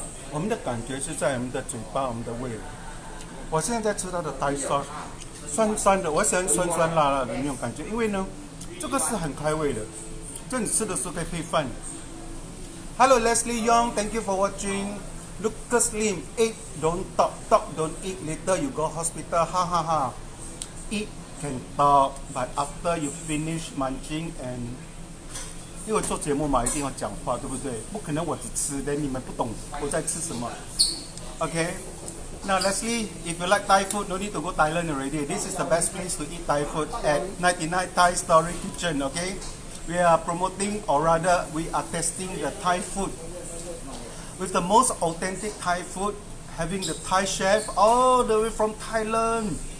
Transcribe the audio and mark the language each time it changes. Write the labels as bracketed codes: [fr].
[zh] 我们的感觉是在我们的嘴巴，我们的胃。我现在在吃它的 Thai sauce， 酸酸的，我喜欢酸酸辣辣的那种感觉，因为呢，这个是很开胃的。就你吃的时候可以配饭。 [en] Hello Leslie Young, thank you for watching. Lucas Lim, eat don't talk, talk don't eat. Later you go hospital. Ha ha ha. Eat can talk, but after you finish munching and [zh] 因为做节目嘛，一定要讲话，对不对？不可能我只吃的，你们不懂我在吃什么。 [en] OK. Now Leslie, if you like Thai food, no need to go Thailand already. This is the best place to eat Thai food at 99 Thai Story Kitchen. OK. We are promoting, or rather, we are testing the Thai food with the most authentic Thai food, having the Thai chef all the way from Thailand.